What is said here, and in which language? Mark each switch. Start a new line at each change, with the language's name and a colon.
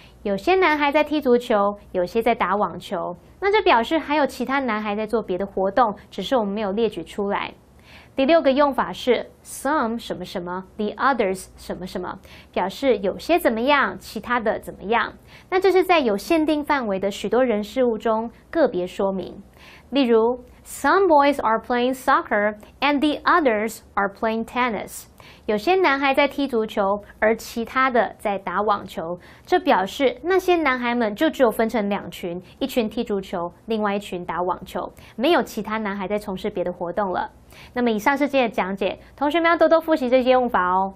Chinese: 有些男孩在踢足球，有些在打网球。那这表示还有其他男孩在做别的活动，只是我们没有列举出来。第六个用法是 some 什么什么 ，the others 什么什么，表示有些怎么样，其他的怎么样。那这是在有限定范围的许多人事物中个别说明。例如
English: ，Some boys are playing soccer, and the others are playing tennis.
Chinese: 有些男孩在踢足球，而其他的在打网球。这表示那些男孩们就只有分成两群，一群踢足球，另外一群打网球，没有其他男孩在从事别的活动了。那么以上是今天的讲解，同学们要多多复习这些用法哦。